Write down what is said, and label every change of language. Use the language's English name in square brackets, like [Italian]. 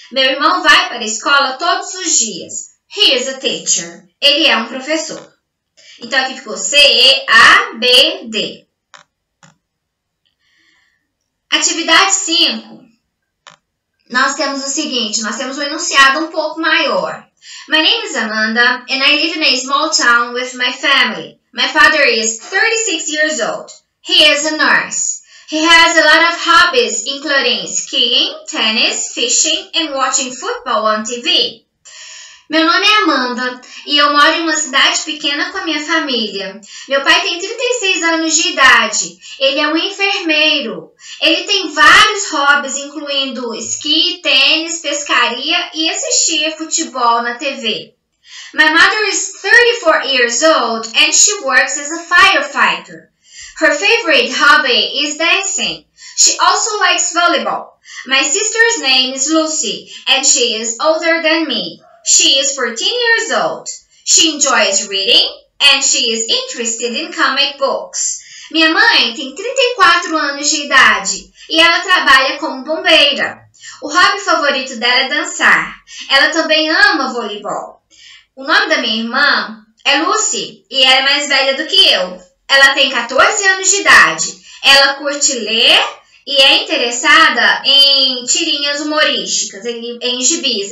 [Portuguese] Meu irmão vai para a escola todos os dias. [English] He is a teacher. [Portuguese] Ele é um professor. Então, aqui ficou C, E, A, B, D. Atividade 5. Nós temos o seguinte, nós temos um enunciado um pouco maior. [English] My name is Amanda and I live in a small town with my family. My father is 36 years old. He is a nurse. He has a lot of hobbies, including skiing, tennis, fishing and watching football on TV. [Portuguese] Meu nome é Amanda e eu moro em uma cidade pequena com a minha família. Meu pai tem 36 anos de idade. Ele é um enfermeiro. Ele tem vários hobbies, incluindo esqui, tênis, pescaria e assistir futebol na TV. [English] My mother is 34 years old and she works as a firefighter. Her favorite hobby is dancing. She also likes volleyball. My sister's name is Lucy and she is older than me. She is 14 years old. She enjoys reading and she is interested in comic books. [Portuguese] Minha mãe tem 34 anos de idade e ela trabalha como bombeira. O hobby favorito dela é dançar. Ela também ama voleibol. O nome da minha irmã é Lucy e ela é mais velha do que eu. Ela tem 14 anos de idade. Ela curte ler e é interessada em tirinhas humorísticas, em gibis.